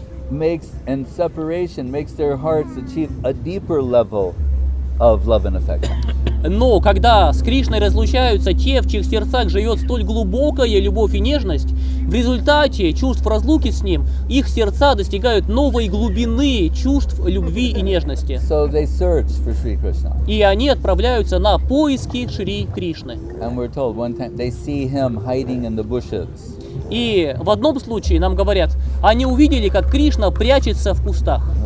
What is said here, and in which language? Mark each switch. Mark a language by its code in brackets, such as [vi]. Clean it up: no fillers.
[en] Makes and separation makes their hearts achieve a deeper level of love and affection. [ru] Но когда с Кришной разлучаются те, в чьих сердцах живет столь глубокая любовь и нежность, в результате чувств разлуки с ним их сердца достигают новой глубины чувств любви и нежности. [en] So they search for Sri Krishna. [ru] И они отправляются на поиски Шри Кришны. [en] And we're told one time they see him hiding in the bushes. [ru] И в одном случае нам говорят, они увидели, как Кришна прячется в кустах.